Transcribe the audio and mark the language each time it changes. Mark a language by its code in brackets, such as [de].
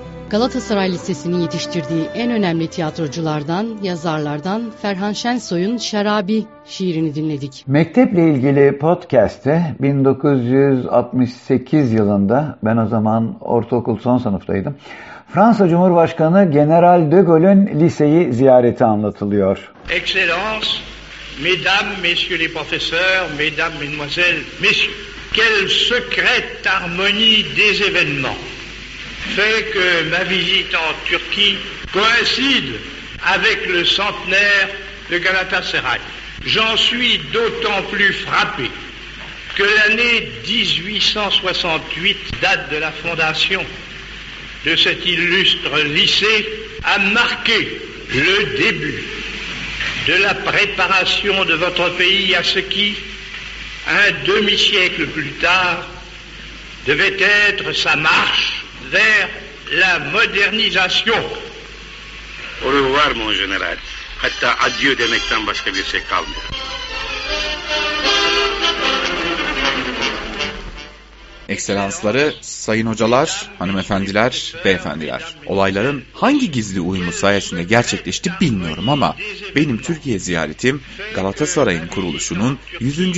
[tr] Galatasaray Lisesi'nin yetiştirdiği en önemli tiyatroculardan, yazarlardan Ferhan Şensoy'un Şarabi şiirini dinledik. Mektep'le ilgili podcast'te 1968 yılında, ben o zaman ortaokul son sınıftaydım, Fransa Cumhurbaşkanı General de Gaulle'ün liseyi ziyareti anlatılıyor. [fr] Excellence, mesdames, messieurs les professeurs, mesdames, mesdemoiselles, messieurs, quelle secrète harmonie des événements fait que ma visite en Turquie coïncide avec le centenaire de Galatasaray. J'en suis d'autant plus frappé que l'année 1868 date de la fondation de cet illustre lycée a marqué le début de la préparation de votre pays à ce qui, un demi-siècle plus tard, devait être sa marche vers la modernisation. Au revoir, mon général. [tr] Hatta adieu demekten başka bir şey kalmıyor. Ekselansları, sayın hocalar, hanımefendiler, beyefendiler. Olayların hangi gizli uyumu sayesinde gerçekleşti bilmiyorum ama benim Türkiye ziyaretim Galatasaray'ın kuruluşunun 100.